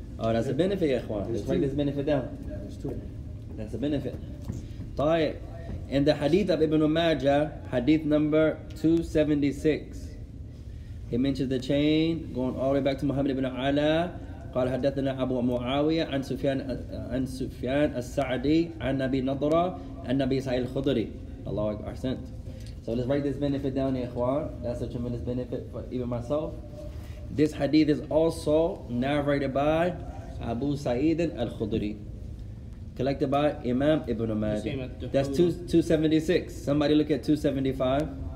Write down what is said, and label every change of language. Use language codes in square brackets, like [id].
[en] Oh, that's a benefit, ya ikhwan. Let's write this benefit down. That's a benefit. Tayyip. And the hadith of Ibn Majah, hadith number 276. It mentions the chain going all the way back to Muhammad ibn Ala. [ar] قال حدثنا أبو معاوية عن سفيان عن سفيان السعدي عن نبي نضرة عن نبي سعيد الخضري. الله أكبر. أحسنت. [en] So let's write this benefit down, [ar] يا إخوان. [en] That's a tremendous benefit for even myself. This hadith is also narrated by Abu Sa'id al-Khudri, collected by Imam Ibn Majah. That's 276. Somebody look at 275.